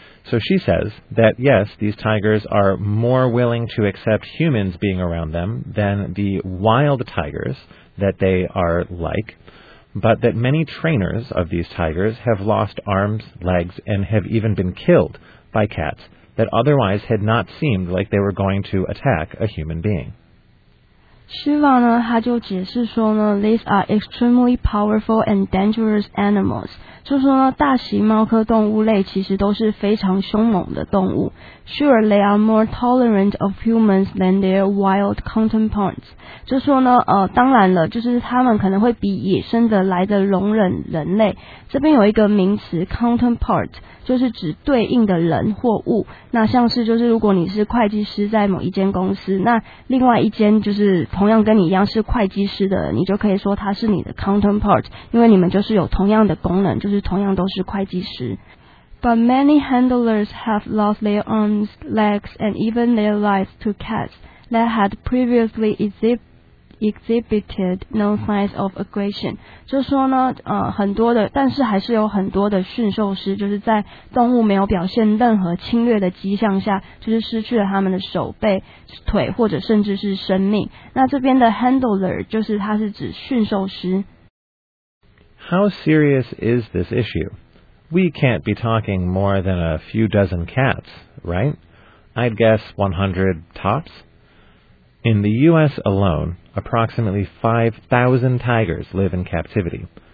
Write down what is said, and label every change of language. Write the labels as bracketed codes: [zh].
[en] So she says that, yes, these tigers are more willing to accept humans being around them than the wild tigers that they are like, but that many trainers of these tigers have lost arms, legs, and have even been killed by cats that otherwise had not seemed like they were going to attack a human being. [zh] Shiva 呢，他就解释说呢 ， [en] these are extremely powerful and dangerous animals， [zh] 就说呢，大型猫科动物类其实都是非常凶猛的动物。 [en] Sure, they are more tolerant of humans than their wild counterparts， [zh] 就说呢，当然了，就是他们可能会比野生的来的容忍人类。这边有一个名词 counterpart， 就是指对应的人或物。那像是就是如果你是会计师在某一间公司，那另外一间就是同样跟你一样是会计师的，你就可以说他是你的 counterpart， 因为你们就是有同样的功能，就是同样都是会计师。 [en] But many handlers have lost their arms, legs, and even their lives to cats that had previously exhibited no signs of aggression. [zh] 就说呢，很多的，但是还是有很多的驯兽师，就是在动物没有表现任何侵略的迹象下，就是失去了他们的手背、腿或者甚至是生命。那这边的 handler 就是它是指驯兽师。 [en] How serious is this issue? We can't be talking more than a few dozen cats, right? I'd guess 100 tops. In the U.S. alone, approximately 5,000 tigers live in captivity.